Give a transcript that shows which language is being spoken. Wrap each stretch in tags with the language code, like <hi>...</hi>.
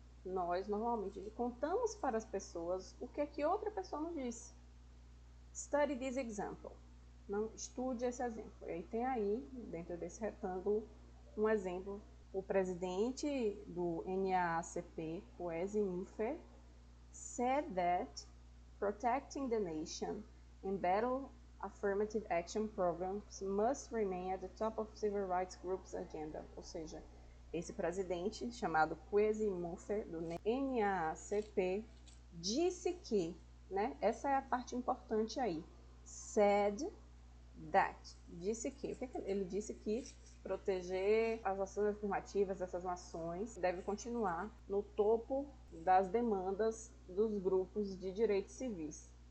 <pt>Nós normalmente contamos para as pessoas o que é que outra pessoa nos disse.</pt> <en>Study this example.</en> <pt>Não, estude esse exemplo. E aí tem aí, dentro desse retângulo, um exemplo. O presidente do</pt> <en>NAACP, Kwesi Mwefé, said that protecting the nation and battle affirmative action programs must remain at the top of civil rights groups' agenda.</en> <pt>Ou seja, esse presidente, chamado Kwesi Mwefé, do NAACP, disse que, né, essa é a parte importante aí,</pt> <en>said that,</en> <pt>disse que, o que é que ele disse que proteger as ações afirmativas dessas nações deve continuar no topo das demandas dos grupos de direitos civis.</pt>